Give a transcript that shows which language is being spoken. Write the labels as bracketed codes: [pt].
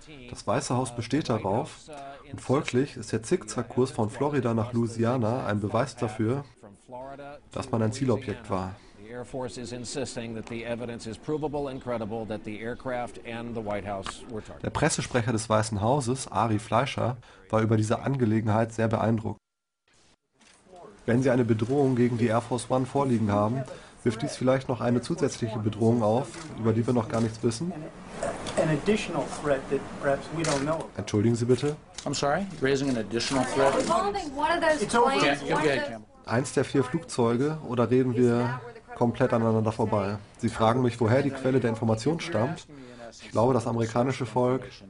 [de] Das Weiße Haus besteht darauf, und folglich ist der Zickzackkurs von Florida nach Louisiana ein Beweis dafür, dass man ein Zielobjekt war. [en] The Air Force is insisting that the evidence is provable and credible that the aircraft and the White House were targeted. [de] Der Pressesprecher des Weißen Hauses, Ari Fleischer, war über diese Angelegenheit sehr beeindruckt. Wenn Sie eine Bedrohung gegen die Air Force One vorliegen haben, wirft dies vielleicht noch eine zusätzliche Bedrohung auf, über die wir noch gar nichts wissen? [en] An additional threat that perhaps we don't know. [de] Entschuldigen Sie bitte. [en] I'm sorry, raising an additional threat. It's [de] eins der vier Flugzeuge, oder reden wir komplett aneinander vorbei? Sie fragen mich, woher die Quelle der Information stammt. Ich glaube, das amerikanische Volk.